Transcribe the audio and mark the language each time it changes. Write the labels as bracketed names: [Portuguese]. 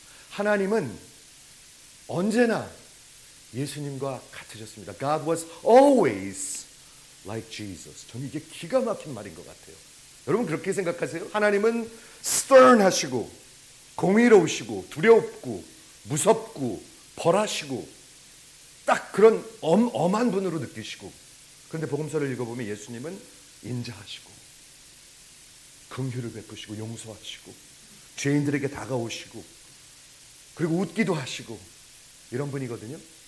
[Korean] 하나님은 언제나 예수님과 같으셨습니다. [English] God was always like Jesus. [Korean] 저는 이게 기가 막힌 말인 것 같아요. 여러분 그렇게 생각하세요? 하나님은 stern하시고 공의로우시고 두렵고 무섭고 벌하시고 딱 그런 엄한 분으로 느끼시고 그런데 복음서를 읽어보면 예수님은 인자하시고 긍휼을 베푸시고 용서하시고 죄인들에게 다가오시고 그리고 웃기도 하시고 이런 분이거든요.